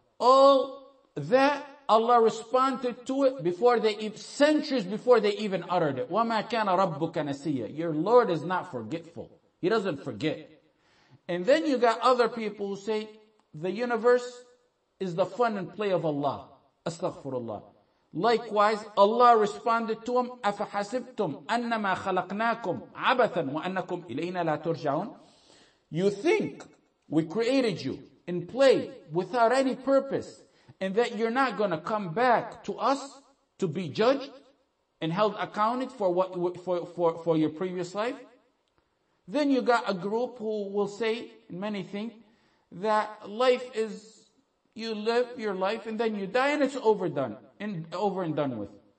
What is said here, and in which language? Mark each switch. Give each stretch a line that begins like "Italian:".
English: All that, Allah responded to it centuries before they even uttered it.
Arabic: وَمَا كَانَ رَبُّكَ نَسِيَّ.
English: Your Lord is not forgetful. He doesn't forget. And then you got other people who say, the universe is the fun and play of Allah.
Arabic: Astaghfirullah.
English: Likewise, Allah responded to him,
Arabic: أَفَحَسِبْتُمْ أَنَّمَا خَلَقْنَاكُمْ عَبَثًا وَأَنَّكُمْ إِلَيْنَا لَا تُرْجَعُونَ.
English: You think we created you in play without any purpose, and that you're not going to come back to us to be judged and held accounted for what for your previous life? Then you got a group who will say, and many think, that life is, you live your life and then you die and it's overdone, and over and done with.